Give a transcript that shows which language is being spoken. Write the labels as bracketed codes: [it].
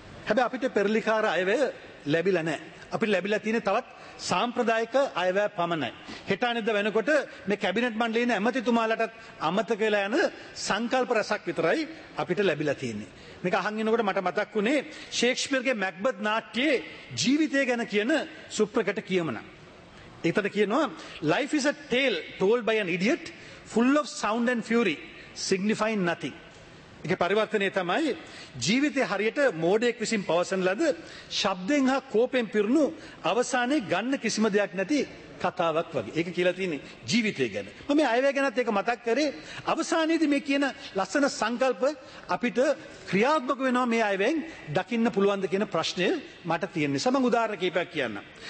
[si] හැබැයි අපිට පෙරලිකාර අයවැය ලැබිලා නැහැ. අපිට ලැබිලා තියෙන තවත් සාම්ප්‍රදායික අයවැය පමණයි. හෙට අනිද්දා වෙනකොට මේ කැබිනට් මණ්ඩලයේ ඇමතිතුමාලටත් අමතක වෙලා යන සංකල්ප රසක් විතරයි අපිට ලැබිලා තියෙන්නේ. මේක අහන් ඉනකොට මට මතක් වුණේ ෂේක්ස්පියර්ගේ මැක්බත් නාට්‍යයේ ජීවිතය ගැන කියන සුප්‍රකට කියමනක්. ඒතත කියනවා, [en] "Life is a tale told by an idiot full of sound and fury, signifying nothing." [si] ඒකේ පරිවර්තනය තමයි ජීවිතේ හරියට මෝඩයෙක් විසින් පවසන ලද ශබ්දෙන් හා කෝපෙන් පිරුණු අවසානයේ ගන්න කිසිම දෙයක් නැති කතාවක් වගේ. ඒක කියලා තියෙන්නේ ජීවිතය ගැන. මම මේ අයවැය ගැනත් ඒක මතක් කරේ. අවසානයේදී මේ කියන ලස්සන සංකල්ප අපිට ක්‍රියාත්මක වෙනවා මේ අයවැයෙන් දකින්න පුළුවන්ද කියන ප්‍රශ්නය මට තියෙන නිසා මම උදාහරණ කීපයක් කියන්නම්.